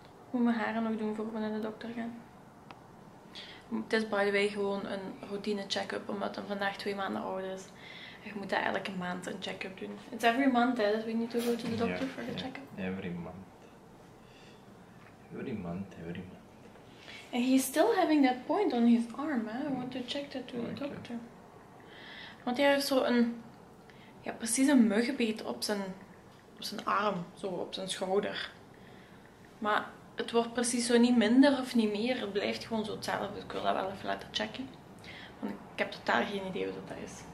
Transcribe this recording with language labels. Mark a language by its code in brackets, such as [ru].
[nl] Moet mijn haren nog doen voor we naar de dokter gaan? Het is [en] by the way [nl] gewoon een routine check-up omdat hij vandaag 2 maanden oud is. Je moet daar elke maand een check-up doen. [en] It's every month that we need to go to the doctor for the check-up. Every month. Every month. And he's still having that point on his arm, hè? I want to check that to the doctor. [nl] Want hij heeft zo een... Ja, precies een muggenbeet op zijn arm. Zo, op zijn schouder. Maar het wordt precies zo niet minder of niet meer. Het blijft gewoon zo hetzelfde. Ik wil dat wel even laten checken. Want ik heb totaal geen idee wat dat is.